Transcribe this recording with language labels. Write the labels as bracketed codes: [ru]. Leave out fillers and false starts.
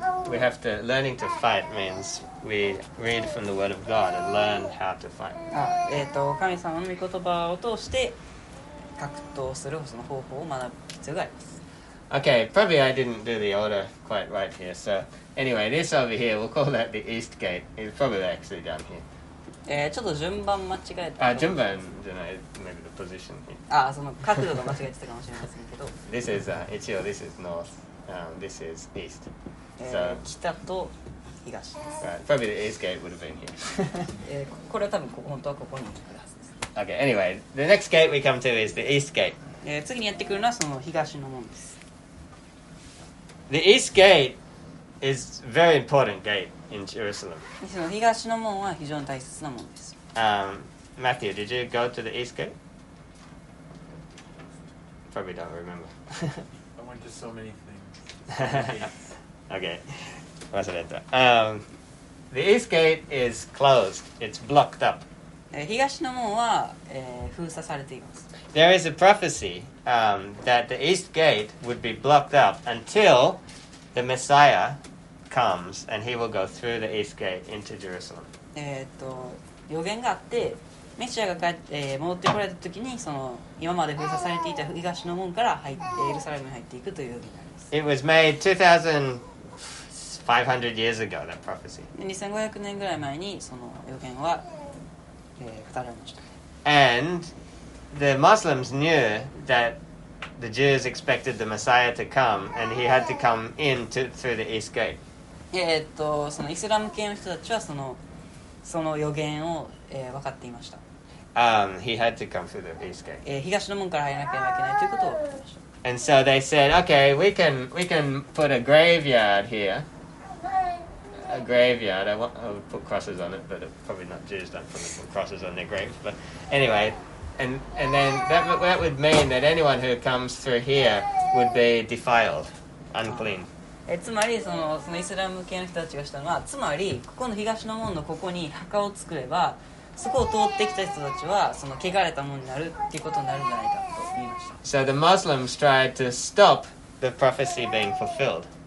[en] we have to learning to fight means we read from the Word of God and learn how to fight. [ja] 神様の御言葉を通して格闘するその方法を学ぶ必要があります。 [en] Okay, probably I didn't do the order quite right here. So anyway, this over here, we'll call that the East Gate. It's probably actually down here. [ja] ちょっと順番間違えた。順番じゃない、 [en] maybe the position here. [ja] その角度が間違えてたかもしれませんけど。 [en] This is, 一応 this is north, this is east. [ja] So, 北と東です。 [en] Right, probably the East Gate would have been here. [ja] これは多分本当はここに行くはずです。 [en] Okay, anyway, the next gate we come to is the East Gate. [ja] 次にやってくるのはその東の門です。 [en] The East Gate is very important gate in Jerusalem. [ja] 東の門は非常に大切な門です。 [en] Matthew, did you go to the East Gate? Probably don't remember. I went to so many things. Okay, [ja] 忘れた。 [en] The East Gate is closed. It's blocked up. [ja] 東の門は、封鎖されています。 [en] There is a prophecy, that the East Gate would be blocked up until the Messiah comes and he will go through the East Gate into Jerusalem. [ja] 予言があって、メシアが帰って、戻ってこられた時に、その今まで封鎖されていた東の門から入って、エルサレムに入っていくという予言があります。 [en] It was made 2,500 years ago, that prophecy. [ja] 2,500 年ぐらい前にその予言は、語られました。 [en] And... The Muslims knew that the Jews expected the Messiah to come, and he had to come in through the East Gate. [ja] そのイスラム系の人たちはその予言を、分かっていました。 [en] He had to come through the east gate. [ja] 東の門から入らなければいけないということを言っていました。 [en] And so they said, okay, we can put a graveyard here. A graveyard. I would put crosses on it, but probably not Jews don't put crosses on their graves. But anyway, and then that would mean that anyone who comes through here would be defiled, unclean. [ja] つまりそのイスラム系の人たちがしたのは、つまりここの東の門のここに墓を作れば、そこを通ってきた人たちはその汚れたものになるっていうことになるんじゃないか。 [en] So the Muslims tried to stop the prophecy being fulfilled.